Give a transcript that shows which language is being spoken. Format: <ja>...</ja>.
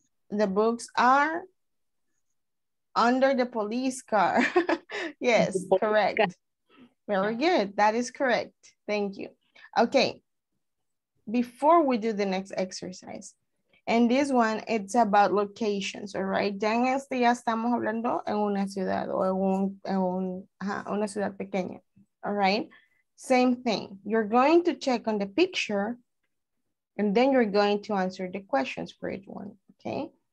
<en>The books are under the police car. Yes, police correct. Car. Very good. That is correct. Thank you. Okay, before we do the next exercise, and this one, it's about locations, all right?</en> <es>Ya en este ya estamos hablando en una ciudad o una ciudad pequeña,</es> <en>all right? Same thing. You're going to check on the picture, and then you're going to answer the questions for each one, okay?</en>